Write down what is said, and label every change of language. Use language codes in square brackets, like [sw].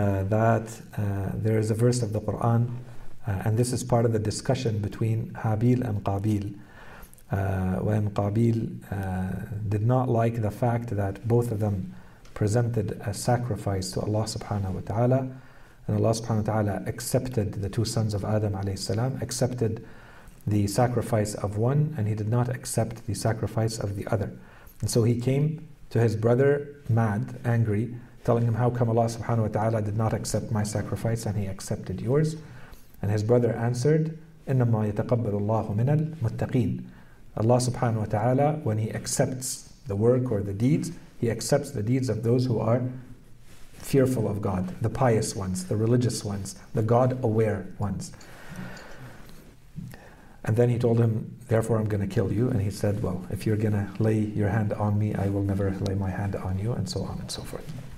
[en] There is a verse of the Quran, and this is part of the discussion between Habil and Qabil, when Qabil did not like the fact that both of them presented a sacrifice to Allah subhanahu wa ta'ala, and Allah subhanahu wa ta'ala accepted the two sons of Adam alayhi salam, accepted the sacrifice of one, and he did not accept the sacrifice of the other. And so he came to his brother mad, angry, telling him how come Allah subhanahu wa ta'ala did not accept my sacrifice and he accepted yours. And his brother answered, [ar] إِنَّمَا يَتَقَبَّلُ اللَّهُ مِنَ الْمُتَّقِينَ. [en] Allah subhanahu wa ta'ala, when he accepts the work or the deeds, he accepts the deeds of those who are fearful of God, the pious ones, the religious ones, the God-aware ones. And then he told him, therefore I'm going to kill you. And he said, well, if you're going to lay your hand on me, I will never lay my hand on you, and so on and so forth.